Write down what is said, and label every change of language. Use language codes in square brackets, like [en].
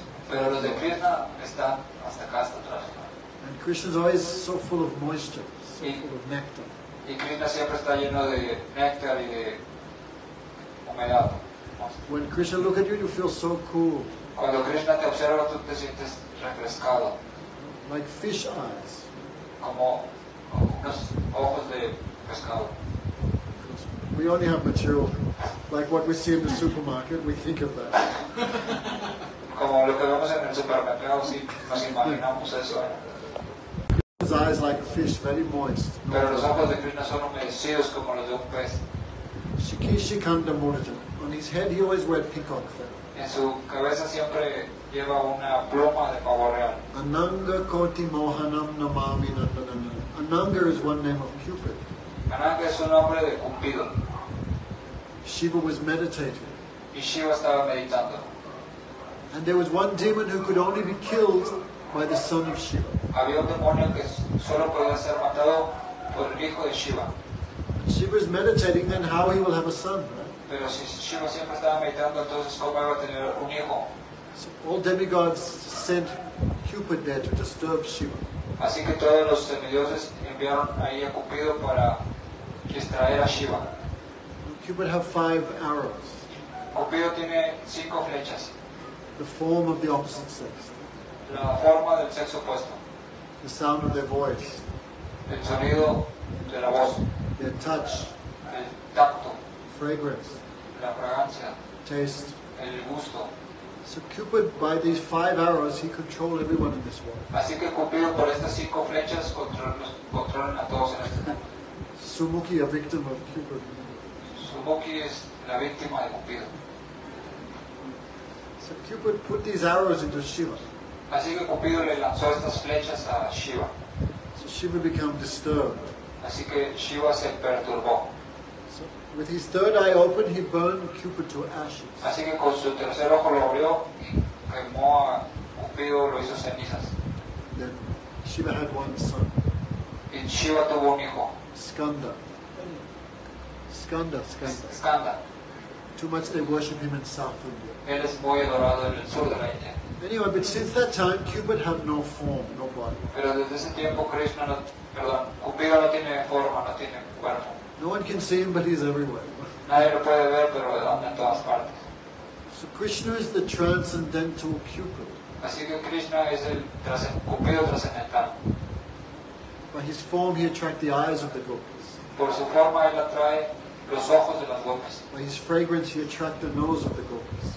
[es] Pero los de Krishna están hasta acá, hasta atrás. [en] And Krishna's always so full of moisture, so full of nectar. [es] Y Krishna siempre está lleno de néctar y de humedad. [en] When Krishna look at you, you feel so cool. [es] Cuando Krishna te observa, tú te sientes refrescado. [en] Like fish eyes. [es] Como unos ojos de pescado. [en] We only have material, like what we see in the supermarket, we think of that. [es] Como lo que vemos en el supermercado, nos imaginamos eso. [en] His eyes like a fish, very moist. [es] Pero los ojos de Krishna son humedecidos como los de un pez. [sa] Shikishi Kanda Murjan. [en] On his head he always wears peacock feather. [es] En su cabeza siempre lleva una pluma de pavo real. [sa] Ananga Koti Mohanam Namami Nandanana. [en] Ananga is one name of Cupid. [es] Ananga es un nombre de Cupido. [en] Shiva was meditating. [es] Y Shiva estaba meditando. [en] And there was one demon who could only be killed by the son of Shiva. [es] Había un demonio que solo podía ser matado por el hijo de Shiva. [en] And Shiva is meditating, then how he will have a son, right? [es] Pero si Shiva siempre estaba meditando, entonces cómo iba a tener un hijo. [en] So all demigods sent Cupid there to disturb Shiva. [es] Así que todos los semidioses enviaron ahí a Cupido para distraer a Shiva. [en] Cupid have 5 arrows. [es] Cupido tiene 5 flechas. [en] The form of the opposite sex. [es] La forma del sexo opuesto. [en] The sound of their voice. [es] El sonido de la voz. [en] Their touch. [es] El tacto. [en] Fragrance. [es] La fragancia. [en] Taste. [es] El gusto. [en] So Cupid, by these 5 arrows, he controlled everyone in this world. [es] Así que Cupido por estas 5 flechas controlan a todos en este [en] mundo. Sumuki, a victim of Cupid. [es] Sumuki es la víctima de Cupido. [en] So Cupid put these arrows into Shiva. [es] Así que Cupido le lanzó estas flechas a Shiva. [en] So Shiva became disturbed. [es] Así que Shiva se perturbó. [en] With his third eye open, he burned Cupid to ashes. [es] Así que con su tercer ojo lo abrió y quemó a Cupido, lo hizo cenizas. [en] Then Shiva had one son. [es] Y Shiva tuvo un hijo. [en] Skanda. Skanda, Skanda. Skanda. Too much they worship him in South India. [es] Él es muy adorado en el sur de la India. [en] Anyway, but since that time, Cupid had no form, no body. [es] Pero desde ese tiempo, Krishna, no, perdón, Cupido no tiene forma, no tiene cuerpo. [en] No one can see him, but he's everywhere. [es] Nadie lo puede ver, pero anda en todas partes. [en] So Krishna is the transcendental Cupid. [es] Así que Krishna es el Cupido trascendental. [en] By his form, he attracts the eyes of the gopis. [es] Por su forma, él atrae los ojos de las gopis. [en] By his fragrance, he attracts the nose of the gopis.